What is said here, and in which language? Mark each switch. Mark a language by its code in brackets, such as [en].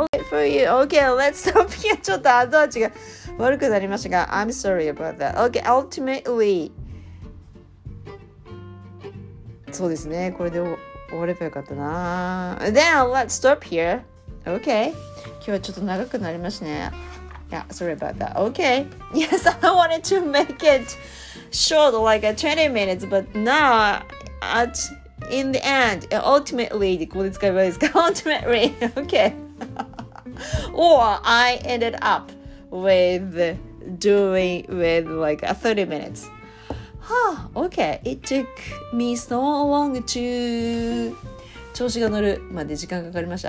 [en] Okay, for you. Okay, let's stop here. [ja] ちょっと後味が悪くなりましたが、 [en] I'm sorry about that. Okay, ultimately. [ja] そうですね。これで終わればよかったな。 [en] Then let's stop here. Okay. [ja] 今日はちょっと長くなりましたね。 [en] Yeah, sorry about that. Okay. Yes, I wanted to make it short, like 20 minutes, but now, in the end, ultimately, [ja] ここで使えばいいですか? [en] Ultimately, okay. Or I ended up with 30 minutes. Huh, okay. It took me so long to... [ja] 調子が乗るまで時間かかりました。